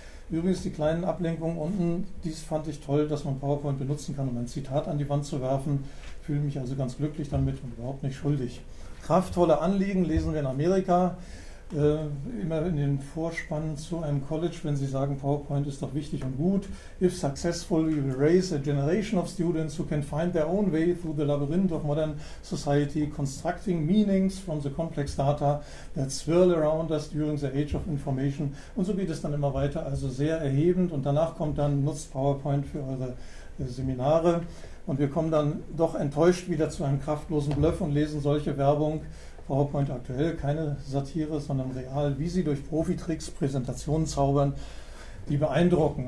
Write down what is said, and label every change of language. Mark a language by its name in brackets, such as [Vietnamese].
[German] Übrigens die kleinen Ablenkungen unten, dies fand ich toll, dass man PowerPoint benutzen kann, um ein Zitat an die Wand zu werfen. Fühle mich also ganz glücklich damit und überhaupt nicht schuldig. Kraftvolle Anliegen lesen wir in Amerika, immer in den Vorspannen zu einem College, wenn sie sagen, PowerPoint ist doch wichtig und gut. [English] If successful, we will raise a generation of students who can find their own way through the labyrinth of modern society, constructing meanings from the complex data that swirl around us during the age of information. [German] Und so geht es dann immer weiter, also sehr erhebend. Und danach kommt dann, nutzt PowerPoint für eure Seminare. Und wir kommen dann doch enttäuscht wieder zu einem kraftlosen Bluff und lesen solche Werbung. PowerPoint aktuell, keine Satire, sondern real, wie sie durch Profitricks Präsentationen zaubern, die beeindrucken.